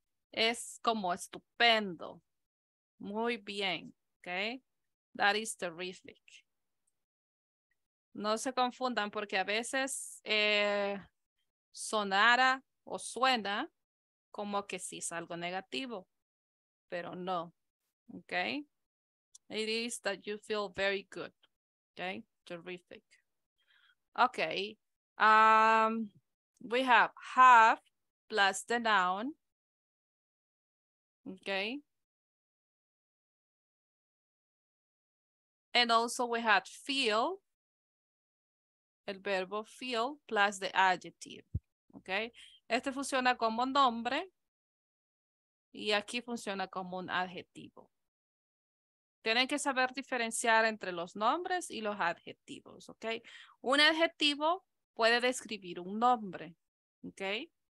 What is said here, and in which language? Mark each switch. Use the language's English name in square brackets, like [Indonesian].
[Spanish] Es como estupendo. Muy bien, okay? [English] That is terrific. [Spanish] No se confundan porque a veces sonara o suena como que sí es algo negativo, pero no, okay? [English] It is that you feel very good, okay? Terrific. Okay, we have plus the noun, okay? And also we had feel, [Spanish] el verbo [English] feel plus the adjective, okay? [Spanish] Este funciona como nombre y aquí funciona como un adjetivo. Tienen que saber diferenciar entre los nombres y los adjetivos, okay? Un adjetivo puede describir un nombre, okay?